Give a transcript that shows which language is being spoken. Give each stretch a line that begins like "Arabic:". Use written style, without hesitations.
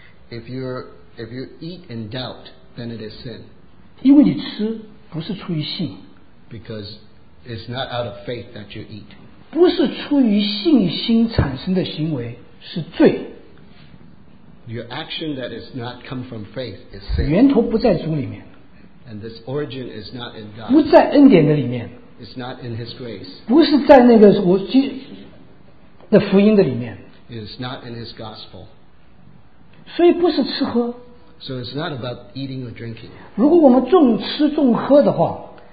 English: If you eat in doubt, then it is sin.
Chinese: 因为你吃不是出于信,
English: because it's not out of faith that you eat.
Chinese: 不是出于信心产生的行为是罪。
English: Your action that is not come from faith is sin.
Chinese: 源头不在主里面。
English: And this origin is not in God.
Chinese: 不在恩典的里面。
English: It's not in his grace.
Chinese: 不是在那个我, 的福音的里面,
English: it is not in his gospel.
Chinese: 所以不是吃喝,
English: so it's not about eating or drinking.
Chinese: 如果我们重吃重喝的话,